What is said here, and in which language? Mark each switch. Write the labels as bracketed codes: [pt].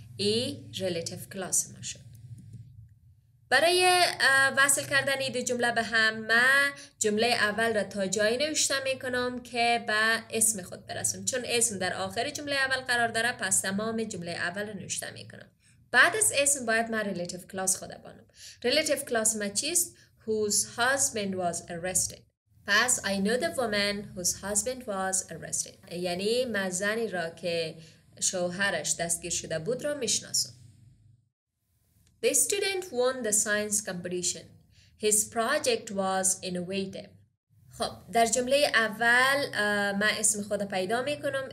[fa] ای relative clause ما شد. برای وصل کردن این دو جمله به هم من جمله اول را تا جایی نوشتم میکنم که به اسم خود برسم. چون اسم در آخر جمله اول قرار داره پس تمام جمله اول را نوشتم میکنم. بعد از اسم باید من relative clause خود بانم. Relative clause ما چیست؟ [en] Whose husband was arrested. پس I know the woman whose husband was arrested. [fa] یعنی من زنی را که شوهرش دستگیر شده بود را میشناسم. [en] The student won the science competition. His project was innovative. [fa] خب در جمله اول من اسم خود پیدا می کنم.